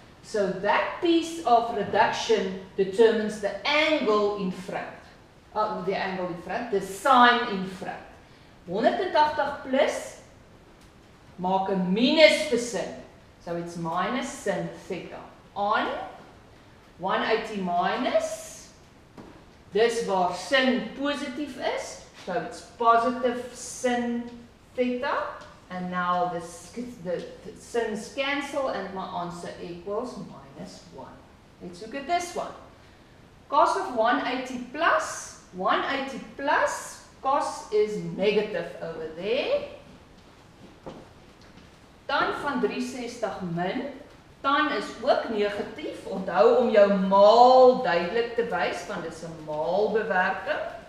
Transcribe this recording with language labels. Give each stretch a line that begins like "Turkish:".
English: So that piece of reduction determines the angle in front. The sign in front.
Afrikaans: 180 plus maak 'n minus vir sin.
English: So it's minus sin 30. On 180 minus,
Afrikaans: dis waar sin positief is,
English: so it's positive sin theta, and now the sins cancel and my answer equals minus 1. Let's look at this one. Cos of 180 plus, 180 plus, cos is negative over there.
Afrikaans: Tan van 360 min, tan is ook negatief, onthou om jou maal duidelik te wys, want dit is 'n maalbewerking.